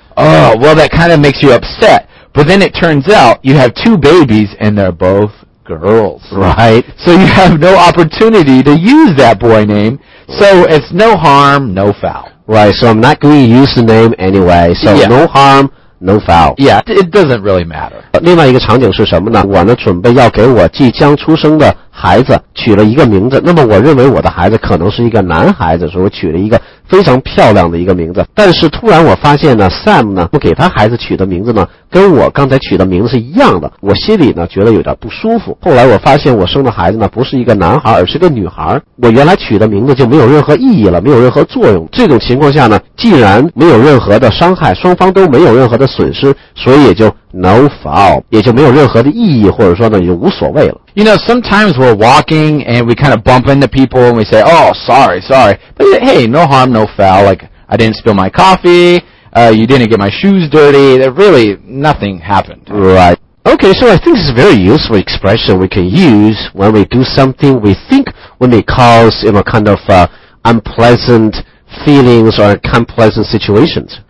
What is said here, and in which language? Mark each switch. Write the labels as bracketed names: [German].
[English] Oh, well that kind of makes you upset. But then it turns out you have two babies and they're both girls. Right. So you have no opportunity to use that boy name. So it's no harm, no foul. Right, so I'm not going to use the name anyway. So yeah. no harm, no foul. Yeah, it doesn't really matter. [Chinese] 另外一个场景是什么呢？我呢准备要给我即将出生的孩子取了一个名字那么我认为我的孩子可能是一个男孩子所以我取了一个非常漂亮的一个名字但是突然我发现呢 Sam 呢不给他孩子取的名字呢跟我刚才取的名字是一样的我心里呢觉得有点不舒服后来我发现我生的孩子呢不是一个男孩而是个女孩我原来取的名字就没有任何意义了没有任何作用这种情况下呢既然没有任何的伤害双方都没有任何的损失所以也就 no foul 也就没有任何的意义或者说呢就无所谓了 [English] You know, sometimes we're walking and we kind of bump into people and we say, oh, sorry, sorry. But hey, no harm, no foul. Like, I didn't spill my coffee. You didn't get my shoes dirty. Really, nothing happened. Right. Okay, so I think this is a very useful expression we can use when we do something we think we may cause, you know, kind of unpleasant feelings or unpleasant situations.